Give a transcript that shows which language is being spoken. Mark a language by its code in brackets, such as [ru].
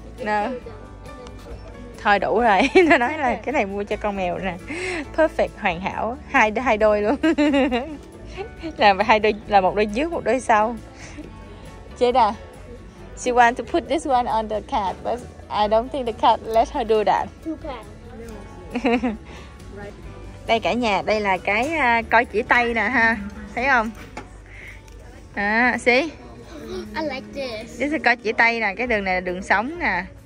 [en] No. Two. [vi] Thôi đủ rồi. Nó nói là cái này mua cho con mèo nè. Perfect, hoàn hảo. Hai đôi luôn. Là hai đôi, là một đôi trước, một đôi sau. Jada. [en] She want to put this one on the cat, but I don't think the cat let her do that. Two cats. [vi] Đây cả nhà, đây là cái coi chỉ tay nè ha. Thấy không? À, see? [en] I like this. This is [vi] coi chỉ tay nè, cái đường này là đường sống nè.